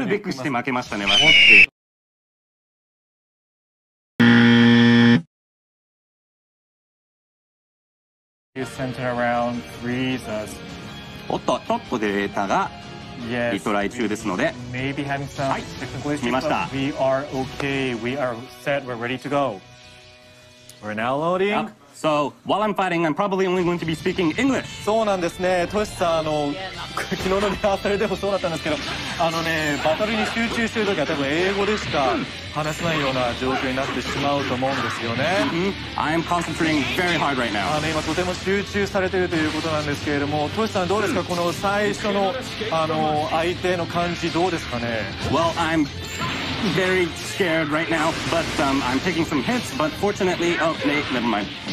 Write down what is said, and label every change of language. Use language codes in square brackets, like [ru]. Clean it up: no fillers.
[ja] しかるべくして負けましたね、私。 [en] Centered around Frieza's. [ja] おっと、ちょっとデータがリトライ中ですので。 [en] Maybe having some technical issues. [ja] はい、見ました。 [en] We are okay. We are set. We're ready to go. We're now loading.、Yep. So, while I'm fighting, I'm probably only going to be speaking English. [ja] そうなんですね。トシさん、昨日のリハーサルでもそうだったんですけど、バトルに集中してるときは多分英語でしか話せないような状況になってしまうと思うんですよね。 [en] Mm-hmm. I am concentrating very hard right now. [ja] 今とても集中されているということなんですけれども、トシさんどうですか、この最初の、相手の感じどうですかね。 [en] Well, I'm... Very scared right now, but、I'm taking some hits, but fortunately, oh, never mind.